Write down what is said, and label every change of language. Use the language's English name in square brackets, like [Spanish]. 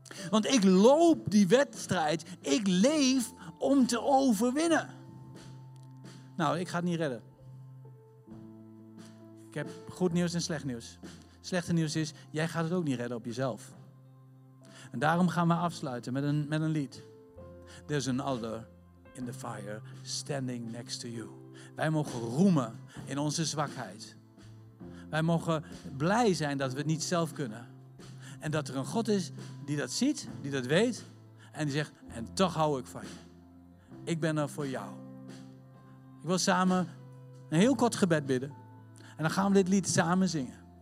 [Dutch] Want ik loop die wedstrijd, ik leef om te overwinnen. Nou, ik ga het niet redden. Ik heb goed nieuws en slecht nieuws. Slechte nieuws is, jij gaat het ook niet redden op jezelf. En daarom gaan we afsluiten met een lied. [English] There's another in the fire standing next to you. [Dutch] Wij mogen roemen in onze zwakheid. Wij mogen blij zijn dat we het niet zelf kunnen. En dat er een God is die dat ziet, die dat weet. En die zegt, en toch hou ik van je. Ik ben er voor jou. Ik wil samen een heel kort gebed bidden. En dan gaan we dit lied samen zingen.